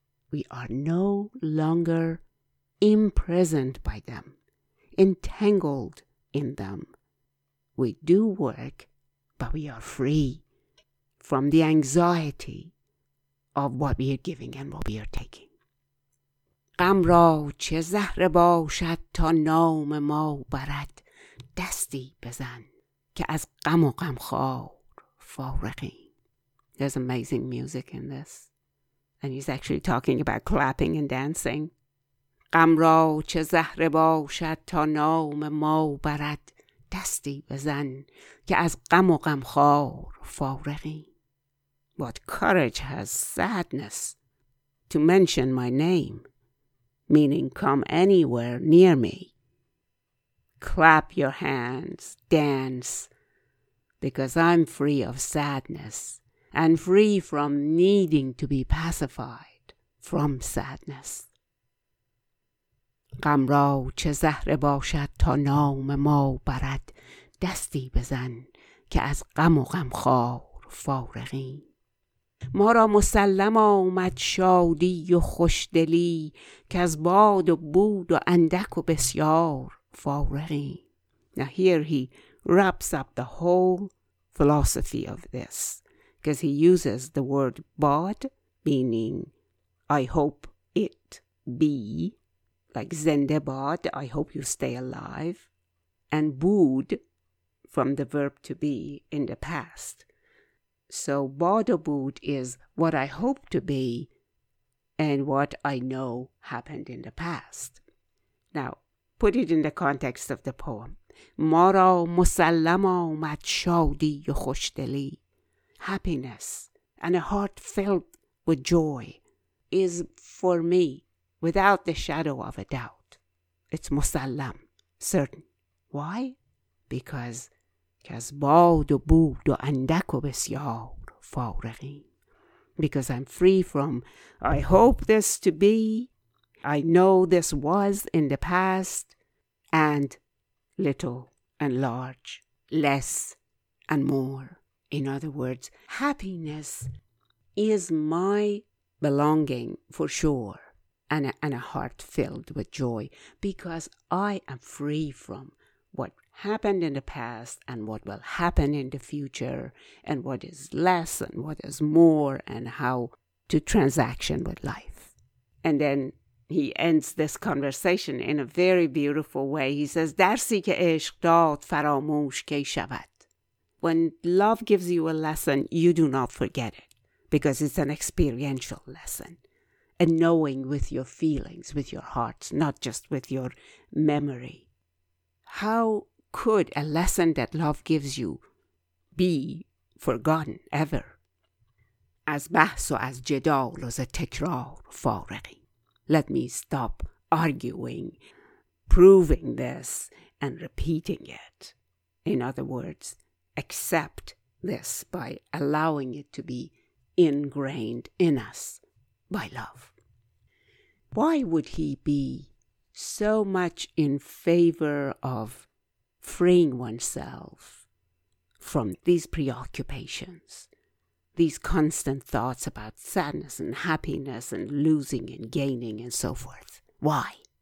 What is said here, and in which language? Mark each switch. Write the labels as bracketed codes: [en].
[en] we are no longer imprisoned by them, entangled in them. We do work, but we are free from the anxiety of what we are giving and what we are taking. [fa] غم را چه زهره باشد تا نام ما برد، دستی بزن که از غم و غمخوار فارغی. [en] There's amazing music in this. And he's actually talking about clapping and dancing. [fa] غم را چه زهره باشد تا نام ما برد، دستی بزن که از غم و غمخوار فارغی. [en] What courage has sadness to mention my name, meaning come anywhere near me. Clap your hands, dance, because I'm free of sadness and free from needing to be pacified from sadness. [fa] غم را چه زهره باشد تا نام ما برد، دستی بزن که از غم و غمخوار فارغی. ما را مسلم آمد شادی و خوشدلی، که از باد و بود و اندک و بسیار فارغی. [en] Now here he wraps up the whole philosophy of this, because he uses the word bad, meaning I hope it be, like zende bad, I hope you stay alive, and bood, from the verb to be in the past. So bad or bood is what I hope to be and what I know happened in the past. Now, put it in the context of the poem. [fa] ما را مسلم آمد شادی و خوشدلی. [en] Happiness and a heart filled with joy is for me, without the shadow of a doubt. It's مسلم, certain. Why? Because [fa] از باد و بود و اندک و بسیار فارغی. [en] Because I'm free from, I hope this to be, I know this was in the past, and little and large, less and more. In other words, happiness is my belonging for sure, and a heart filled with joy, because I am free from what happened in the past and what will happen in the future and what is less and what is more and how to transaction with life. And then he ends this conversation in a very beautiful way. He says, [fa] درسی که عشق داد فراموش کی شود. [en] When love gives you a lesson, you do not forget it, because it's an experiential lesson, a knowing with your feelings, with your heart, not just with your memory. How could a lesson that love gives you be forgotten ever? [fa] از بحث و از جدال و ز تکرار فارغی. [en] Let me stop arguing, proving this, and repeating it. In other words, accept this by allowing it to be ingrained in us by love. Why would he be so much in favor of freeing oneself from these preoccupations, these constant thoughts about sadness and happiness and losing and gaining and so forth? Why?